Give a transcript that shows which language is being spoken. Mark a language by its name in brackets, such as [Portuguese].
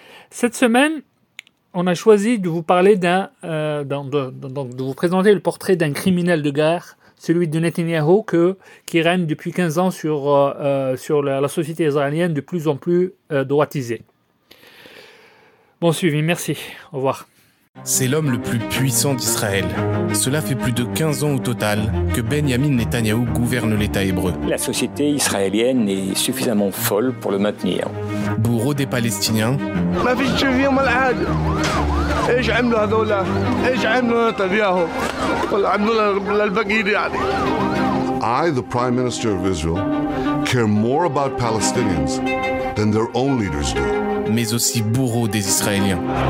[French] Cette semaine, on a choisi de vous parler de vous présenter le portrait d'un criminel de guerre, celui de Netanyahu, qui règne depuis 15 ans sur la société israélienne de plus en plus droitisée. Bon suivi, merci, au revoir. C'est l'homme le plus puissant d'Israël. Cela fait plus de 15 ans au total que Benjamin Netanyahou gouverne l'État hébreu. La société israélienne est suffisamment folle pour le maintenir. Bourreau des Palestiniens. [English] I, the Prime Minister of Israel, care more about Palestinians than their own leaders do. [French] Mais aussi bourreau des Israéliens.